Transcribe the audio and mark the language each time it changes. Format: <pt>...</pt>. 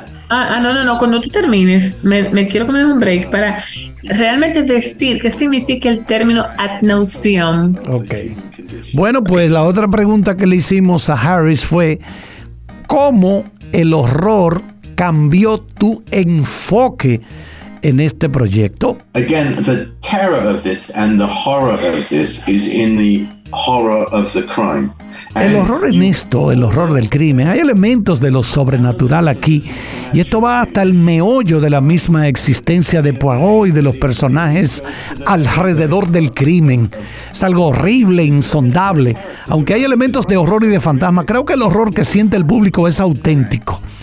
<es>No, cuando tú termines, me quiero comer un break para realmente decir qué significa el término ad nauseam. Ok. Bueno, pues la otra pregunta que le hicimos a Harris fue, ¿cómo el horror cambió tu enfoque en este proyecto?</es> <en>Again, the terror of this and the horror of this is in the horror of the crime.</en> <es>El horror en esto, el horror del crimen, hay elementos de lo sobrenatural aquí, y esto va hasta el meollo de la misma existencia de Poirot y de los personajes alrededor del crimen. Es algo horrible, insondable. Aunque hay elementos de horror y de fantasma, creo que el horror que siente el público es auténtico.</es>